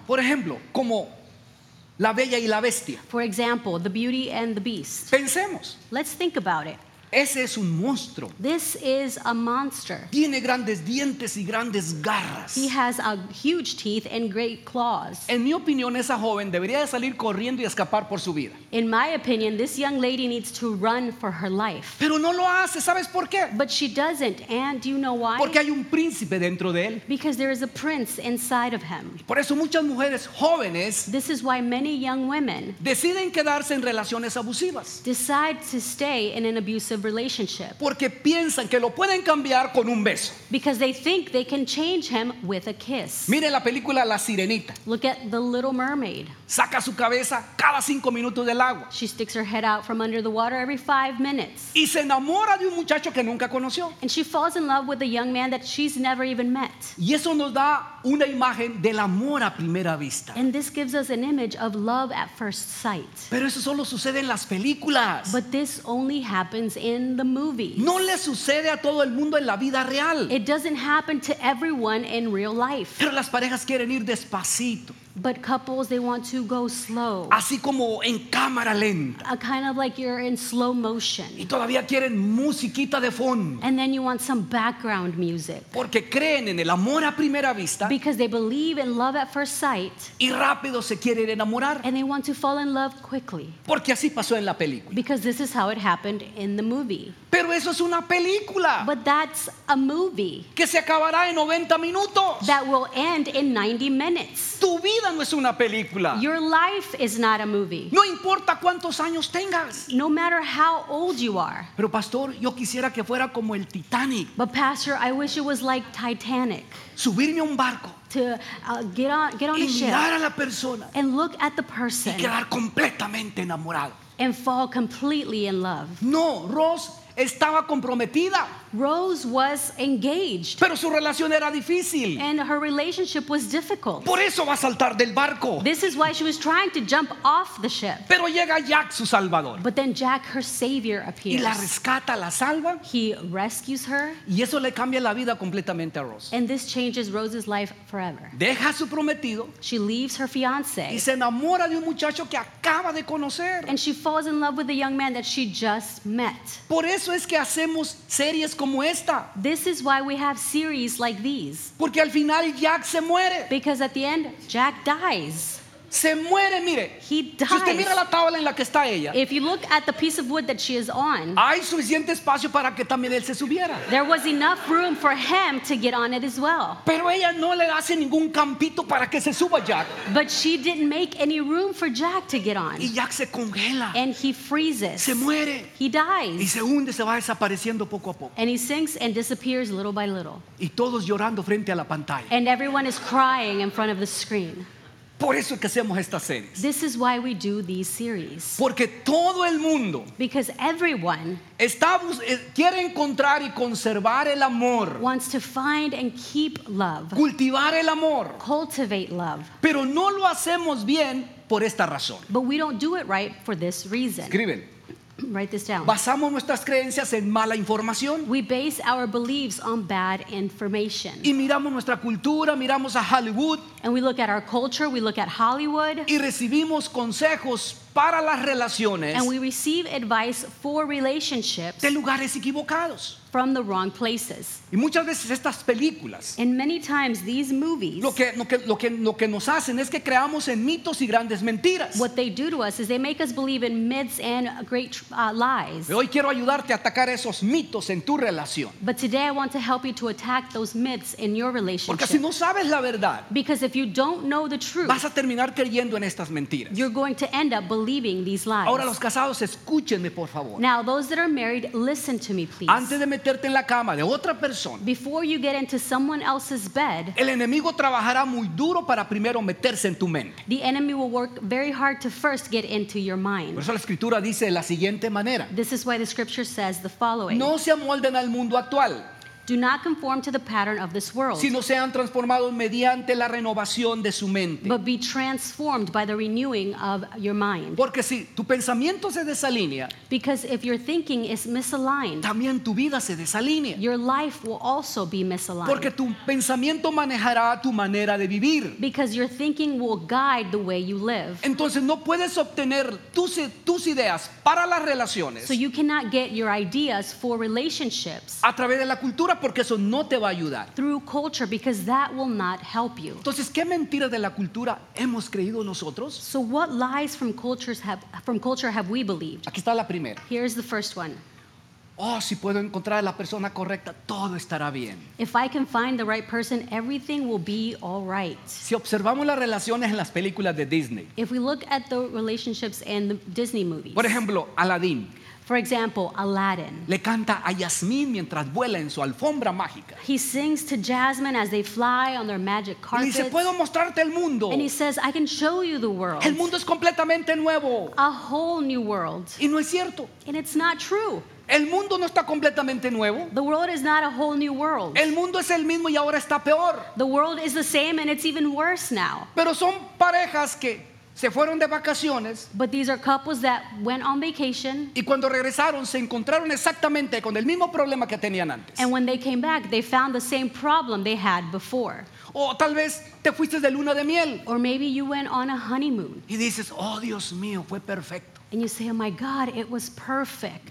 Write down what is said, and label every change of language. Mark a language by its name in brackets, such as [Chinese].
[Spanish] Por ejemplo, como La Bella y la Bestia. [English] For example, The Beauty and the Beast. [Spanish] Pensemos. [English] Let's think about it. [Spanish] Ese es un monstruo. [English] This is a monster. [Spanish] Tiene grandes dientes y grandes garras. [English] He has a huge teeth and great claws. [Spanish] En mi opinión, esa joven debería de salir corriendo y escapar por su vida. [English] In my opinion, this young lady needs to run for her life. [Spanish] Pero no lo hace, ¿sabes por qué? [English] But she doesn't, and do you know why? [Spanish] Porque hay un príncipe dentro de él. [English] Because there is a prince inside of him. [Spanish] Por eso muchas mujeres jóvenes. [English] This is why many young women [Spanish] deciden quedarse en relaciones abusivas. [English] Decide to stay in an abusive relationship. [Spanish] Porque piensan que lo pueden cambiar con un beso. [English] Because they think they can change him with a kiss. [Spanish] Mire la película La Sirenita. [English] Look at The Little Mermaid. [Spanish] Saca su cabeza cada 5 minutos del agua. [English] She sticks her head out from under the water every 5 minutes. [Spanish] Y se enamora de un muchacho que nunca conoció. [English] And she falls in love with a young man that she's never even met. [Spanish] Y eso nos da una imagen del amor a primera vista. [English] And this gives us an image of love at first sight. [Spanish] Pero eso solo sucede en las películas. [English] But this only happens in the movies. [Spanish] No le sucede a todo el mundo en la vida real. [English] It doesn't happen to everyone in real life. [Spanish] Pero las parejas quieren ir despacito. [English] But couples, they want to go slow. [Spanish] Así como en cámara lenta. [English] A kind of like you're in slow motion. [Spanish] Y todavía quieren musiquita de fondo. [English] And then you want some background music. [Spanish] Porque creen en el amor a primera vista. [English] Because they believe in love at first sight. [Spanish] Y rápido se quieren enamorar. [English] And they want to fall in love quickly. [Spanish] Porque así pasó en la película. [English] Because this is how it happened in the movie. [Spanish] Pero eso es una película. [English] But that's a movie. [Spanish] Que se acabará en 90 minutos. [English] That will end in 90 minutes. [Spanish] Tu vida no es una película. [English] Your life is not a movie. [Spanish] No importa cuántos años tengas. [English] No matter how old you are. [Spanish] Pero pastor, yo quisiera que fuera como el Titanic. [English] But pastor, I wish it was like Titanic. [Spanish] Subirme a un barco. [English] To get on [Spanish] y [English] a ship. [Spanish] Y mirar a la persona. [English] And look at the person. [Spanish] Y quedar completamente enamorado. [English] And fall completely in love. [Spanish] No, Ross, Estaba comprometida. [English] Rose was engaged. [Spanish] Pero su relación era difícil. [English] And her relationship was difficult. [Spanish] Por eso va a saltar del barco. [English] This is why she was trying to jump off the ship. [Spanish] Pero llega Jack, su salvador. [English] But then Jack, her savior, appears. [Spanish] Y la rescata, la salva. [English] He rescues her. [Spanish] Y eso le cambia la vida completamente a Rose. [English] And this changes Rose's life forever. [Spanish] Deja a su prometido. [English] She leaves her fiance. [Spanish] Y se enamora de un muchacho que acaba de conocer. [English] And she falls in love with a young man that she just met. [Spanish] Por eso es que hacemos series como esta. [English] This is why we have series like these. [Spanish] Porque al final Jack se muere. [English] Because at the end, Jack dies. [Spanish] Se muere, mire. [English] He dies. [Spanish] Si usted mira la tabla en la que está ella. [English] If you look at the piece of wood that she is on. [Spanish] Hay suficiente espacio para que también él se subiera. [English] There was enough room for him to get on it as well. [Spanish] Pero ella no le hace ningún campito para que se suba Jack. [English] But she didn't make any room for Jack to get on. [Spanish] Y Jack se congela. [English] And he freezes. [Spanish] Se muere. [English] He dies. [Spanish] Y se hunde, se va desapareciendo poco a poco. [English] And he sinks and disappears little by little. [Spanish] Y todos llorando frente a la pantalla. [English] And everyone is crying in front of the screen. [Spanish] Por eso es que hacemos estas series. [English] This is why we do these series. [Spanish] Porque todo el mundo, [English] because everyone, [Spanish] está quiere encontrar y conservar el amor. [English] Wants to find and keep love. [Spanish] Cultivar el amor. [English] Cultivate love. [Spanish] Pero no lo hacemos bien por esta razón. [English] But we don't do it right for this reason. [Spanish] Escriben. [English] Write this down. [Spanish] Basamos nuestras creencias en mala información. [English] We base our beliefs on bad information. [Spanish] Y miramos nuestra cultura, miramos a Hollywood. [English] And we look at our culture, we look at Hollywood. [Spanish] Y recibimos consejos para las relaciones. [English] And we receive advice for relationships. [Spanish] De lugares equivocados. [English] From the wrong places. [Spanish] Y muchas veces estas películas. [English] And many times these movies. [Spanish] Lo que nos hacen es que creamos en mitos y grandes mentiras. [English] What they do to us is they make us believe in myths and great lies. [Spanish] Hoy quiero ayudarte a atacar esos mitos en tu relación. [English] But today I want to help you to attack those myths in your relationship. [Spanish] Porque si no sabes la verdad. [English] Because if you don't know the truth. [Spanish] Vas a terminar creyendo en estas mentiras. [English] You're going to end up believing these lies. [Spanish] Ahora los casados, escúchenme por favor. [English] Now those that are married, listen to me please. [Spanish] Antes de meterte en la cama de otra persona. [English] Before you get into someone else's bed. [Spanish] El enemigo trabajará muy duro para primero meterse en tu mente. [English] The enemy will work very hard to first get into your mind. [Spanish] Por eso la escritura dice de la siguiente manera. [English] This is why the scripture says the following. [Spanish] No se amolden al mundo actual. [English] Do not conform to the pattern of this world. [Spanish] Sino sean transformados mediante la renovación de su mente. [English] But be transformed by the renewing of your mind. [Spanish] Porque si tu pensamiento se desalinea. [English] Because if your thinking is misaligned. [Spanish] También tu vida se desalinea. [English] Your life will also be misaligned. [Spanish] Porque tu pensamiento manejará tu manera de vivir. [English] Because your thinking will guide the way you live. [Spanish] Entonces no puedes obtener tus ideas para las relaciones. [English] So you cannot get your ideas for relationships. [Spanish] A través de la cultura. Porque eso no te va a ayudar. [English] Through culture, because that will not help you. [Spanish] Entonces, ¿qué mentiras de la cultura hemos creído nosotros? [English] So what lies from culture have we believed? [Spanish] Aquí está la primera. [English] Here's the first one. [Spanish] Oh, si puedo encontrar a la persona correcta, todo estará bien. [English] If I can find the right person, everything will be all right. [Spanish] Si observamos las relaciones en las películas de Disney. [English] If we look at the relationships in the Disney movies. [Spanish] Por ejemplo, Aladdin. [English] For example, Aladdin. [Spanish] Le canta a Yasmín mientras vuela en su alfombra mágica. [English] He sings to Jasmine as they fly on their magic carpet. [Spanish] Y dice, puedo mostrarte el mundo. [English] And he says, I can show you the world. [Spanish] El mundo es completamente nuevo. [English] A whole new world. [Spanish] Y no es cierto. [English] And it's not true. [Spanish] El mundo no está completamente nuevo. [English] The world is not a whole new world. [Spanish] El mundo es el mismo y ahora está peor. [English] The world is the same and it's even worse now. [Spanish] Pero son parejas que se fueron de vacaciones. [English] But these are couples that went on vacation. [Spanish] Y cuando regresaron se encontraron exactamente con el mismo problema que tenían antes. [English] And when they came back, they found the same problem they had before. [Spanish] O tal vez te fuiste de luna de miel. [English] Or maybe you went on a honeymoon. [Spanish] Y dices, oh Dios mío, fue perfecto. [English] And you say, oh my God, it was perfect.